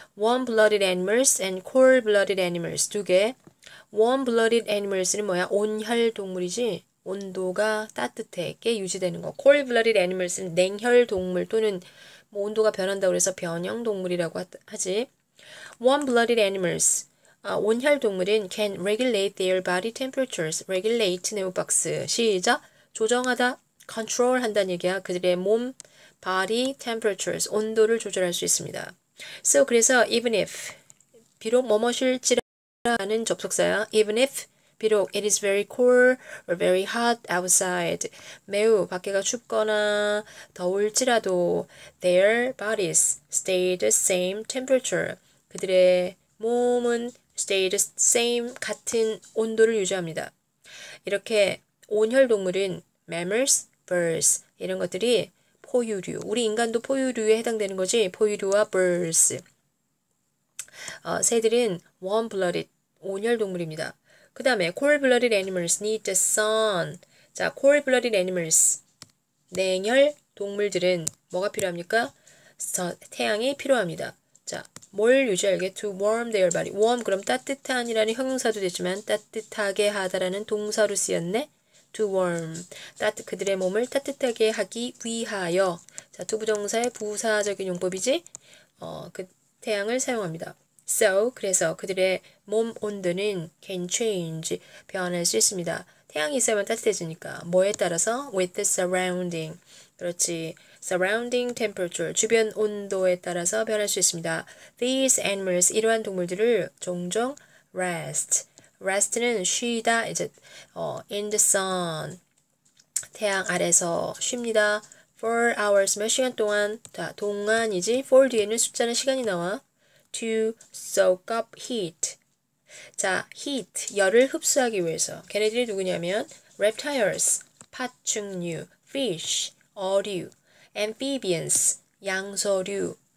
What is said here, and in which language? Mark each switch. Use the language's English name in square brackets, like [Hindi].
[English] Warm-blooded animals and cold-blooded animals [Korean] 두 개. Warm-blooded animals는 뭐야? 온혈 동물이지? 온도가 따뜻하게 유지되는 거. Cold-blooded animals는 냉혈 동물 또는 뭐 온도가 변한다고 해서 변형 동물이라고 하지. [English] Warm-blooded animals. 아, [Korean] 온혈 동물은 [English] can regulate their body temperatures. [Korean] Regulate 네모 박스. 시작. 조정하다. Control 한다는 얘기야. 그들의 몸, [English] body temperatures. [Korean] 온도를 조절할 수 있습니다. [English] So, 그래서 even if. [Korean] 비록 뭐뭐실지라. 라는 접속사야. [English] Even if, 비록 it is very cold or very hot outside. [Korean] 매우 밖에가 춥거나 더울지라도 [English] their bodies stay the same temperature. [Korean] 그들의 몸은 [English] stay the same [Korean] 같은 온도를 유지합니다. 이렇게 온혈 동물인 mammals, birds 이런 것들이 포유류. 우리 인간도 포유류에 해당되는 거지. 포유류와 birds. 새들은 warm-blooded. 온혈 동물입니다. 그 다음에 [English] cold-blooded animals need the sun. 자, cold-blooded animals. [Korean] 냉혈 동물들은 뭐가 필요합니까? 태양이 필요합니다. 자, 뭘 유지하게? [English] To warm their body. [Korean] Warm, 그럼 따뜻한이라는 형용사도 되지만 따뜻하게 하다라는 동사로 쓰였네. [English] To warm. [Korean] 그들의 몸을 따뜻하게 하기 위하여. 자, to 부정사의 부사적인 용법이지? 태양을 사용합니다. So, 그래서 그들의 몸 온도는 [English] can change, [Korean] 변할 수 있습니다. 태양이 있으면 따뜻해지니까. 뭐에 따라서? [English] With the surrounding. [Korean] 그렇지. [English] Surrounding temperature, [Korean] 주변 온도에 따라서 변할 수 있습니다. [English] These animals, [Korean] 이러한 동물들을 종종 rest. Rest는 쉬다, 이제, [English] in the sun. [Korean] 태양 아래서 쉽니다. [English] For hours, [Korean] 몇 시간 동안? 자, 동안이지. For 뒤에는 숫자는 시간이 나와. [English] To soak up heat. 자, heat. [Korean] 열을 흡수하기 위해서. 걔네들이 누구냐면, reptiles, 파충류, fish, 어류, amphibians, 양서류.